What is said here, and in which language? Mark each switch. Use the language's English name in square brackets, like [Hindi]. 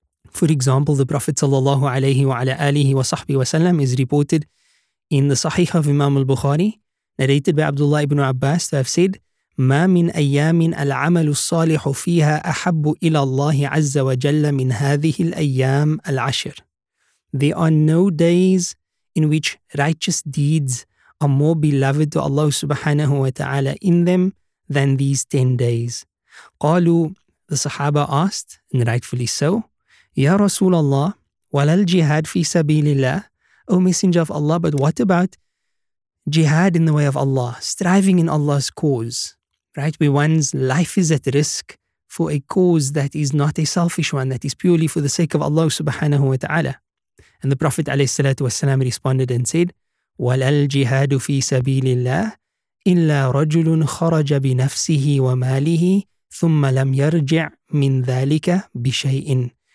[English] For example, the Prophet sallallahu alayhi wa ala alihi wa sahbihi wa sallam is reported in the Sahih of Imam al-Bukhari, narrated by Abdullah ibn Abbas, to have said, [Arabic] ما من أيام العمل الصالح فيها أحب إلى الله عز وجل من هذه الأيام العشر. [English] There are no days in which righteous deeds are more beloved to Allah [Arabic] سبحانه وتعالى [English] in them than these 10 days. [Arabic] قالوا, [English] the Sahaba asked, and rightfully so, [Arabic] يا رسول الله ولا الجهاد في سبيل الله. [English] O Messenger of Allah, but what about jihad in the way of Allah, striving in Allah's cause? Right, where one's life is at risk for a cause that is not a selfish one, that is purely for the sake of Allah subhanahu wa ta'ala. And the Prophet alayhi salatu wasalam responded and said, [Arabic] وَلَا الْجِهَادُ فِي سَبِيلِ اللَّهِ إِلَّا رَجُلٌ خَرَجَ بِنَفْسِهِ وَمَالِهِ ثُمَّ لَمْ يَرْجِعْ مِنْ ذَلِكَ بِشَيْءٍ.